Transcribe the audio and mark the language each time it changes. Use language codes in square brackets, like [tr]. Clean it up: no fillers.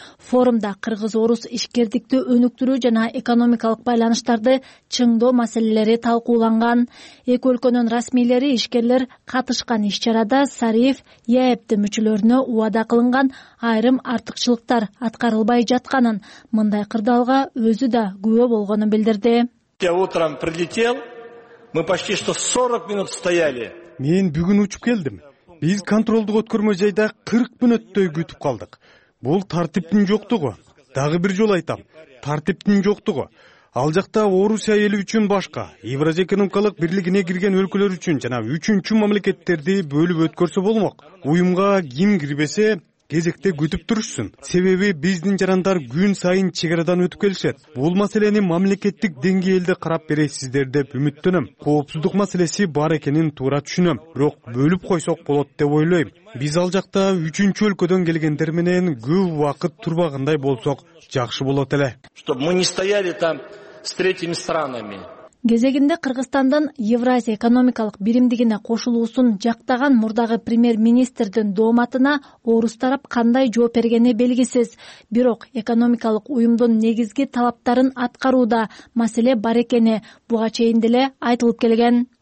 [ky] Форумда кыргыз-орус ишкердикти өнүктүрүү жана экономикалык байланыштарды чыңдоо маселелери талкууланган. Эки өлкөнүн расмийлери ишкерлер катышкан иш-чарада Сариев ЕЭПТИ мүчөлөрүнө убада кылынган айрым артыкчылыктар аткарылбай жатканын, мындай кырдаалга өзү да күбө болгонун билдирди. [ru] Я утром прилетел. Мы почти что 40 минут стояли. [ky] Мен бүгүн учуп келдим. Биз контролдук өткөрмө жайда 40 мүнөттөй күтүп калдык. Бул тартиптин жоктугу. Дагы бир жолу айтам, тартиптин жоктугу. Ал жакта орус эли үчүн башка, Евразия экономикалык бирлигине кирген өлкөлөр үчүн жана үчүнчү мамлекеттерди бөлүп өткөрсө болмок. Уюмга ким кирбесе кезекте күтүп турушсун. Себеби биздин жарандар күн сайын чек арадан өтүп келишет. Бул маселени мамлекеттик деңгээлде карап бересиздер деп үмүттөнөм. Коопсуздук маселеси бар экенин туура түшүнөм. Бирок бөлүп койсок болот деп ойлойм. Биз ал жакта үчүнчү өлкөдөн келгендер менен көп убакыт турбагандай болсок жакшы болот эле. [ru] Чтобы мы не стояли там с третьими странами. [ky] Кезегинде Кыргызстандын Евразия экономикалык биримдигине кошулуусун жактаган мурдагы премьер-министрдин дооматына орус тарап кандай жооп бергени белгисиз. Бирок экономикалык уюмдун негизги талаптарын аткарууда маселе бар экени буга чейин деле айтылып келген.